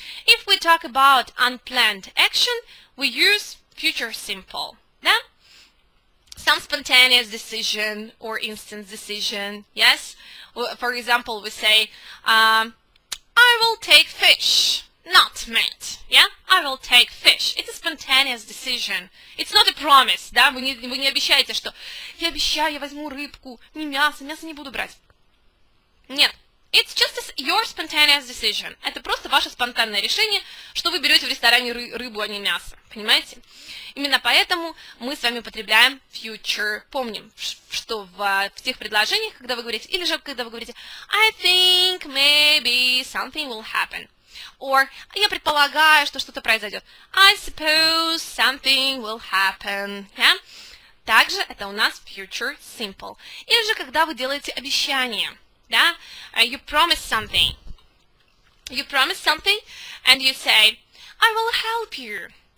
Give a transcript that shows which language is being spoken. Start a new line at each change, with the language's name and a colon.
English: If we talk about unplanned action, we use future simple.
Russian: Да?
English: Some spontaneous decision or instant decision. Yes? For example, we say, I will take fish, not meat. Yeah? I will take fish. It's a spontaneous decision. It's not a promise.
Russian: Да? Вы не обещаете, что я обещаю, я возьму рыбку, не мясо, мясо не буду брать. Нет.
English: It's just your spontaneous decision.
Russian: Это просто ваше спонтанное решение, что вы берете в ресторане рыбу, а не мясо. Понимаете? Именно поэтому мы с вами употребляем future. Помним, что в тех предложениях, когда вы говорите, или же когда вы говорите,
English: I think maybe something will happen. Or,
Russian: я предполагаю, что что-то произойдет.
English: I suppose something will happen. Yeah?
Russian: Также это у нас future simple. Или же, когда вы делаете обещание. Да?
English: You promise something. You promise something, and you say, I will help you.